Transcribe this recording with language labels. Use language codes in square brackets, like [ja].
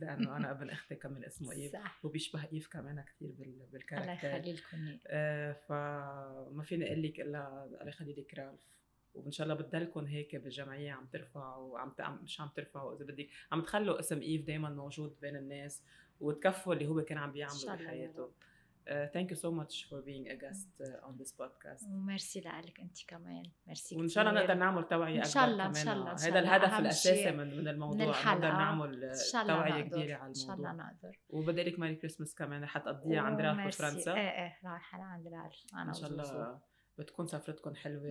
[ar] لأنه أنا ابن أختي كمان اسمه إيف وبيشبه إيف كمان كثير بالكاركتر. الله يخليلكم. فما فيني أقول لك إلا الله يخليلك رالف، وإن شاء الله بتدلكم هيك بالجمعية عم ترفعوا عم ترفعوا إذا بدك عم تخلوا اسم إيف دايما موجود بين الناس وتكفوا اللي هو كان عم بيعمله بحياته. [en] Thank you so much for being a guest on this podcast. [ar] ومرسي لك أنت كمان. مرسي. وإن شاء الله نقدر نعمل توعية أكبر. إن شاء الله. إن شاء الله. هذا الهدف الأساسي من الموضوع. نقدر نعمل توعية كبيرة على الموضوع. إن شاء الله نقدر. وبدالك ماري كريسمس كمان رح تقضيها عند رالف في فرنسا. إيه رايحة لعند رالف. إن شاء الله بتكون سفرتكم حلوة.